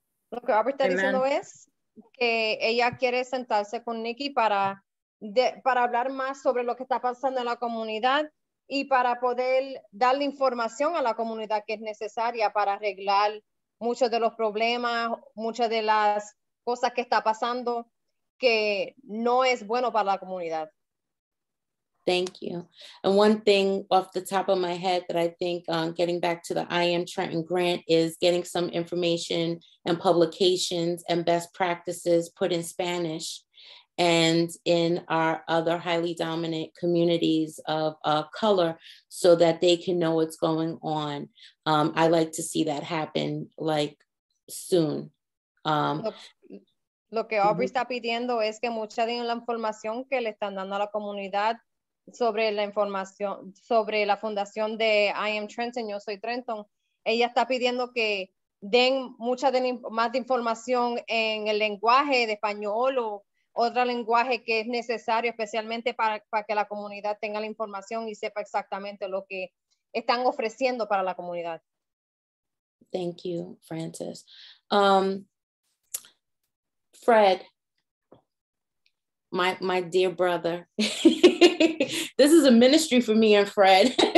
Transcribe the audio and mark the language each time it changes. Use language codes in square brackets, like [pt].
[es] Look, Albert, que ella quiere sentarse con Nikki para hablar más sobre lo que está pasando en la comunidad y para poder darle información a la comunidad que es necesaria para arreglar muchos de los problemas, muchas de las cosas que está pasando que no es bueno para la comunidad. [en] Thank you. And one thing off the top of my head that I think getting back to the I Am Trenton Grant is getting some information and publications and best practices put in Spanish and in our other highly dominant communities of color so that they can know what's going on. I like to see that happen like soon. [es] Lo que Aubrey está pidiendo es que mucha de la información que le están dando a la comunidad sobre la información, sobre la fundación de I Am Trenton, yo soy Trenton, ella está pidiendo que den mucha de, más de información en el lenguaje de español o otro lenguaje que es necesario, especialmente para que la comunidad tenga la información y sepa exactamente lo que están ofreciendo para la comunidad. [en] Thank you, Francis. Fred, my dear brother, this is a ministry for me and Fred.